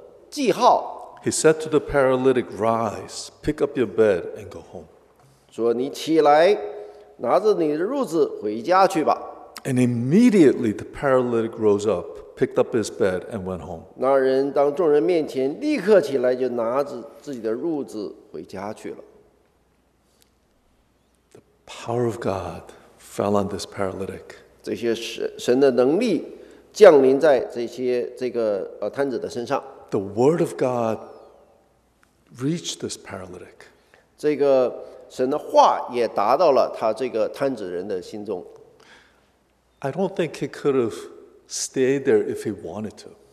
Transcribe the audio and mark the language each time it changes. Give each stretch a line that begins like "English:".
English: He said to the paralytic, "Rise, pick up your bed and go home."
Chinese: 主，你起来，拿着你的褥子回家去吧。
English: And immediately the paralytic rose up, picked up his bed, and went home.
Chinese: 那人当众人面前立刻起来，就拿着自己的褥子回家去了。
English: The power of God fell on this paralytic.
Chinese: 这些神的能力降临在这个瘫子的身上。
English: The word of God reached this paralytic.
Chinese: 这个神的话也达到了他这个瘫子人的心中。
English: I don't think he could have stayed there if he wanted to.